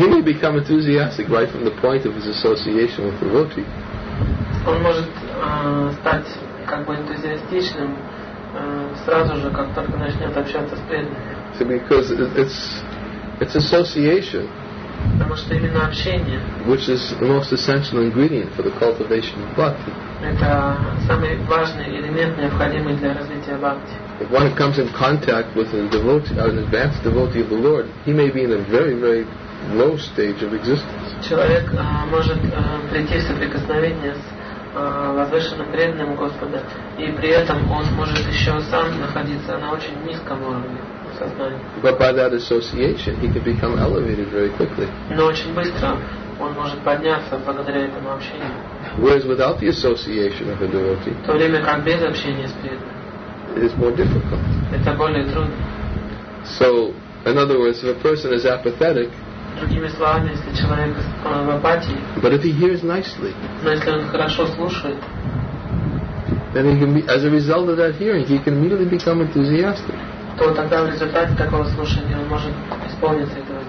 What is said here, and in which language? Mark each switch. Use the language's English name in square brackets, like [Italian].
[English] He may become enthusiastic right from the point of his association with devotee. [Russian] Он может стать как бы энтузиастичным сразу же, как только начнет общаться с преданными. [English] So because it's association, [Russian] потому что именно общение, [English] which is the most essential ingredient for the cultivation of bhakti. [Russian] Это самый важный элемент, необходимый для развития бхакти. [English] If one comes in contact with a devotee, an advanced devotee of the Lord, he may be in a very, very low stage of existence. [Russian] Человек может прийти в соприкосновение с возвышенным преданным Господа, и при этом он может еще сам находиться на очень низком уровне. [English] But by that association, he can become elevated very quickly. [Russian] Но очень быстро он может подняться благодаря этому общению. [English] Whereas without the association of a devotee, [Russian] то время как без общения с преданным, [English] it is more difficult. [Russian] Это более трудно. [English] So, in other words, if a person is apathetic, [Russian] другими словами, если человек в апатии, [English] but if he hears nicely, [Russian] но если он хорошо слушает, [English] then he can be, as a result of that hearing, he can immediately become enthusiastic. [Russian] То тогда в результате такого слушания он может исполниться этого.